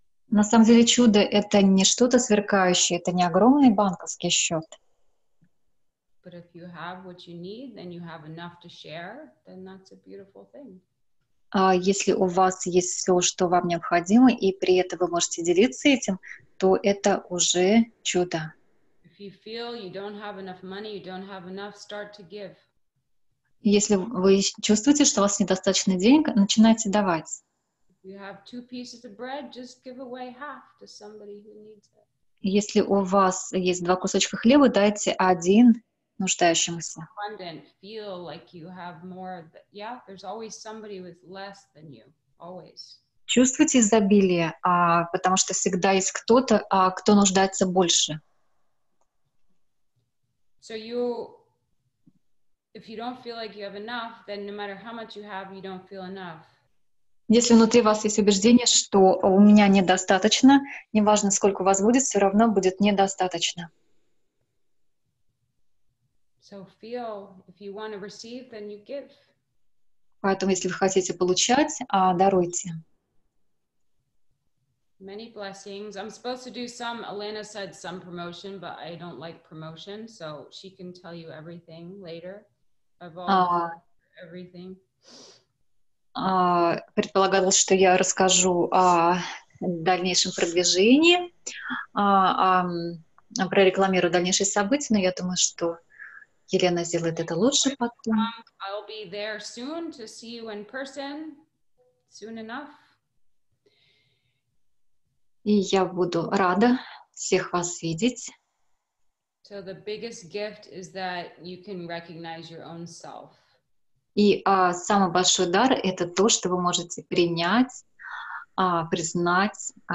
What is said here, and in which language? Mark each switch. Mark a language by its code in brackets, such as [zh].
[ru] На самом деле чудо — это не что-то сверкающее, это не огромный банковский счет. [en] But if you have what you need, then you have enough to share, then that's a beautiful thing. [ru] Если у вас есть все, что вам необходимо, и при этом вы можете делиться этим, то это уже чудо. [en] If you feel you don't have enough money, you don't have enough, start to give. [ru] Если вы чувствуете, что у вас недостаточно денег, начинайте давать. [en] You have two pieces of bread, just give away half to somebody who needs it. [ru] Если у вас есть два кусочка хлеба, дайте один нуждающемуся. [en] Abundant, feel like you have more. Yeah, there's always somebody with less than you. Always. [ru] Чувствуйте изобилие, потому что всегда есть кто-то, кто нуждается больше. [en] So you, if you don't feel like you have enough, then no matter how much you have, you don't feel enough. [ru] Если внутри вас есть убеждение, что у меня недостаточно, неважно, сколько у вас будет, все равно будет недостаточно. [en] So feel, if you want to receive, then you give. [ru] Поэтому, если вы хотите получать, даруйте. [en] Many blessings. I'm supposed to do some, Alana said some promotion, but I don't like promotion, so she can tell you everything later. I've all everything. [ru] Предполагалось, что я расскажу о дальнейшем продвижении, прорекламирую дальнейшие события, но я думаю, что Елена сделает это лучше потом. [en] I'll be there soon to see you in person, soon enough. [ru] И я буду рада всех вас видеть. [en] So the biggest gift is that you can recognize your own self. [ru] И самый большой дар — это то, что вы можете принять, признать.